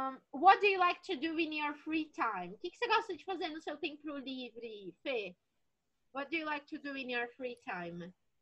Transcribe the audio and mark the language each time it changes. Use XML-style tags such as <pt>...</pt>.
<en>What do you like to do in your free time?</en> <pt>O que você gosta de fazer no seu tempo livre, Fê?</pt> <en>What do you like to do in your free time?</en>